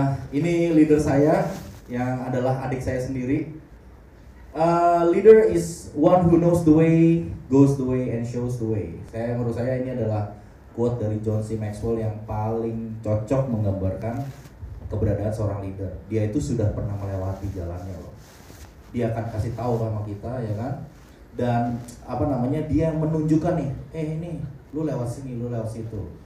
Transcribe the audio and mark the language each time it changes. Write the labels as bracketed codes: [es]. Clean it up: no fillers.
[id] ini leader saya yang adalah adik saya sendiri. [en] Leader is one who knows the way, goes the way, and shows the way. [id] Saya menurut saya ini adalah quote dari John C. Maxwell yang paling cocok menggambarkan keberadaan seorang leader. Dia itu sudah pernah melewati jalannya loh. Dia akan kasih tahu sama kita, ya kan? Dan apa namanya, dia menunjukkan nih, eh ini, lu lewat sini, lu lewat situ.